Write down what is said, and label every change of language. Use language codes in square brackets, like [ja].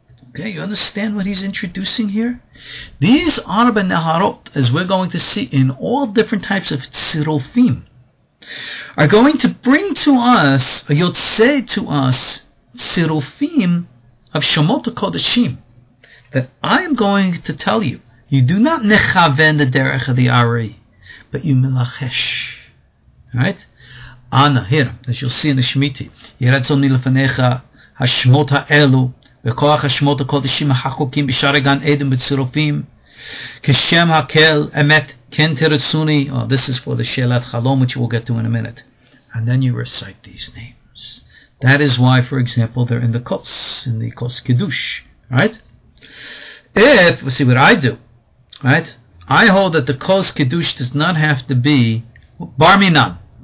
[en] Okay, you understand what he's introducing here? These arba neharot, as we're going to see in all different types of tzirofim, are going to bring to us, or you'll say to us, tzirofim of Shemot HaKodeshim, that I am going to tell you, you do not nechaven the derech of the Ari, but you melachesh. Alright? [he] Ana, [en] here, as you'll see in the [he] Shemiti, Yeratzon Nilefanecha, Hashemot HaElu, וכוח השמות הקודשים החקוקים בשער הגן עדן בצירופים כשם הקל אמת כן תרצוני. [en] Oh, this is for the שאלת חלום, which we'll get to in a minute. And then you recite these names. That is why, for example, they're in the Kos, in the Kos Kiddush. Right? If, let's see what I do. Right? I hold that the Kos Kiddush does not have to be Bar Minan.